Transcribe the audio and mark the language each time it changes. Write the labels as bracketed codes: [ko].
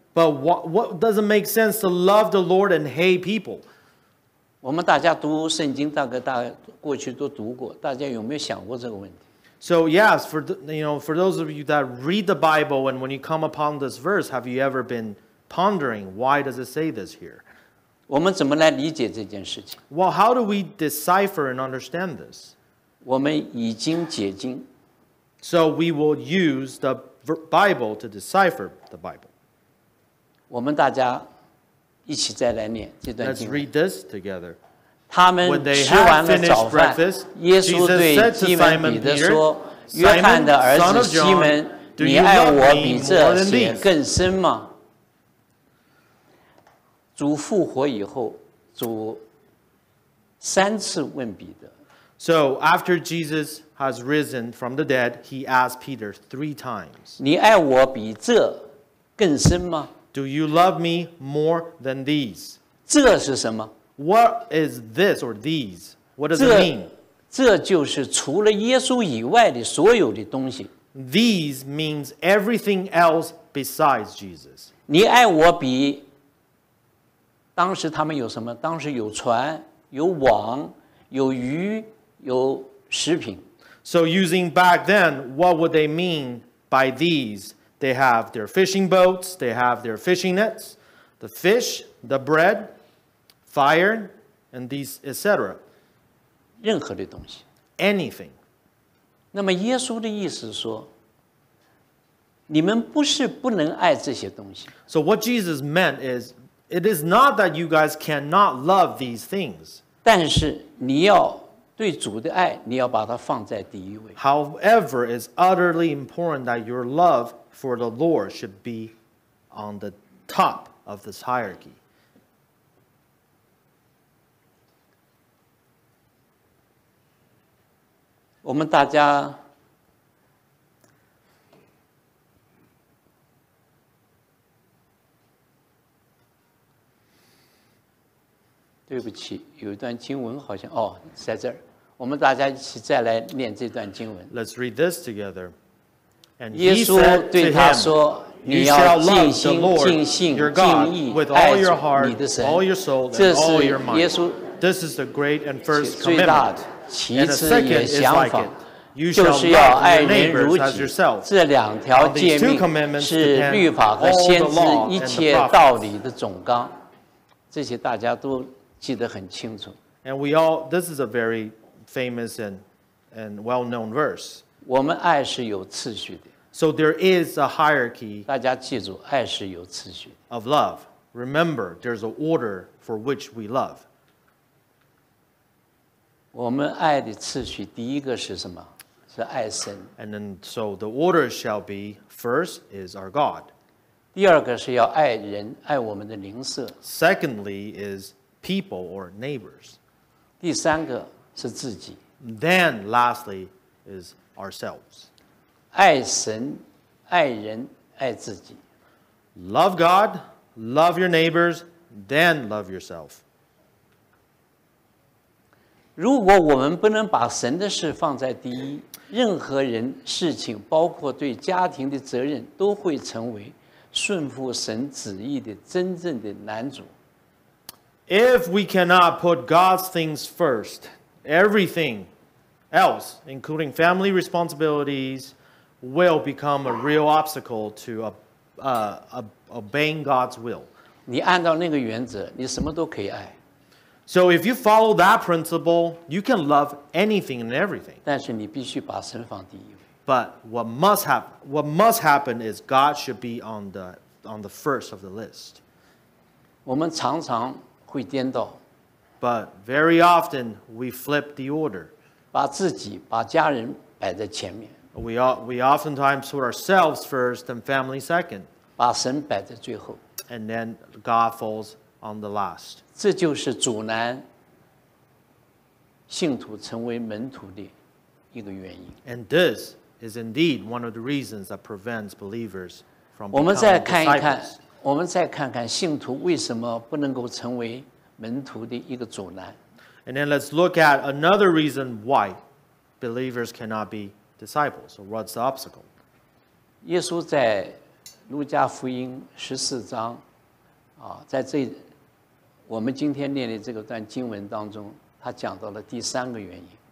[en] But what doesn't make sense to love the Lord and hate people? [zh] 我们大家读圣经，过去都读过，大家有没有想过这个问题？ [en] So yes, for those of you that read the Bible, and when you come upon this verse, have you ever been pondering why does it say this here? [zh] 我们怎么来理解这件事情？ [en] Well, how do we decipher and understand this? [zh] 我们已经解经。 [en] So we will use the Bible to decipher the Bible. [zh] 我们大家一起再来念这段经文。 [en] Let's read this together. [zh] 他们吃完了早饭，耶稣对西门彼得说，约翰的儿子西门，你爱我比这些更深吗？主复活以后，主三次问彼得。 [en] So after Jesus has risen from the dead, he asked Peter three times. [zh] 你爱我比这更深吗？ [en] Do you love me more than these? [zh] 这是什么？ [en] What is this or these? What does it mean? [zh] 这就是除了耶稣以外的所有的东西。 [en] These means everything else besides Jesus. [zh] 你爱我比当时他们有什么？当时有船，有网，有鱼，有食品。 [en] So using back then, what would they mean by these? They have their fishing boats, they have their fishing nets, the fish, the bread, fire, and these, etc. [zh] 任何的东西。 [en] Anything. [zh] 那么耶稣的意思说，你们不是不能爱这些东西。 [en] So what Jesus meant is,It is not that you guys cannot love these things. [zh] 但是你要对主的爱，你要把它放在第一位。 [en] However, it's utterly important that your love for the Lord should be on the top of this hierarchy. [zh] 我们大家对不起，有一段经文好像，哦，在这儿，我们大家一起再来念这段经文。 [en] Let's read this together. And he said to him, You shall love the Lord your God with all your heart, all your soul, and all your mind. This is the great and first commandment. And the second is like it. You shall love your neighbors as yourself. On these two commandments depend all the law and the prophets. [zh] 这些大家都记得很清楚。 [en] And we all, this is a very famous and well-known verse. [zh] 我们爱是有次序的。 [en] So there is a hierarchy. [zh] 大家记住，爱是有次序的。 [en] Of love. Remember, there's an order for which we love. [zh] 我们爱的次序第一个是什么？是爱神。 [en] And then, so the order shall be, first is our God. [zh] 第二个是要爱人，爱我们的邻舍。 [en] Secondly is,People or neighbors. [zh] 第三个是自己。 [en] Then lastly is ourselves. [zh] 爱神，爱人，爱自己。 [en] Love God, love your neighbors, then love yourself. [zh] 如果我们不能把神的事放在第一，任何人、事情，包括对家庭的责任，都会成为顺服神旨意的真正的男主。 [en] If we cannot put God's things first, everything else, including family responsibilities, will become a real obstacle to obeying God's will. [zh] 你按照那个原则，你什么都可以爱。 [en] So if you follow that principle, you can love anything and everything. [zh] 但是你必须把神放第一位。 [en] But what must happen is God should be on the first of the list. [zh] 我们常常会颠倒。 [en] But very often we flip the order. [zh] 把自己把家人摆在前面。 [en] We oftentimes put ourselves first and family second. [zh] 把神摆在最后。 [en] And then God falls on the last. [zh] 这就是阻拦信徒成为门徒的一个原因。 [en] And this is indeed one of the reasons that prevents believers from becoming disciples. [zh] 我们再看看信徒为什么不能够成为门徒的一个阻拦。 [en] And then let's look at another reason why believers cannot be disciples. So what's the obstacle? [zh] 耶稣在路加福音十四章在这我们今天念的这个段经文当中，他讲到了第三个原因。